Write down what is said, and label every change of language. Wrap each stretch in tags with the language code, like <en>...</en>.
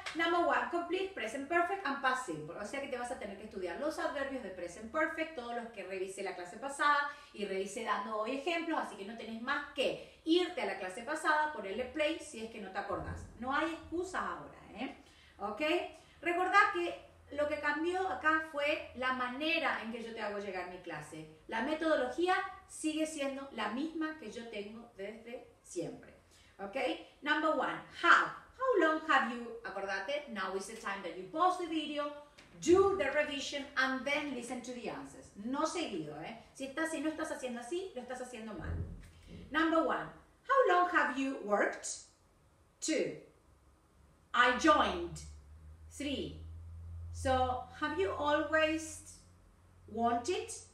<en>Number one, complete present perfect and past simple.</en> <es>O sea que te vas a tener que estudiar los adverbios de present perfect, todos los que revisé la clase pasada y revisé dando hoy ejemplos, así que no tenés más que irte a la clase pasada, ponerle play si es que no te acordás. No hay excusas ahora, ¿eh? ¿Ok? Recordá que Lo que cambió acá fue la manera en que yo te hago llegar mi clase. La metodología sigue siendo la misma que yo tengo desde siempre.</es> <en>Okay? Number one, how long have you,</en> <es>acordate,</es> <en>now is the time that you pause the video, do the revision and then listen to the answers.</en> <es>No seguido, eh. Si no estás haciendo así, lo estás haciendo mal.</es> <en>Number one, how long have you worked? Two, I joined. Three, so have you always wanted?</en>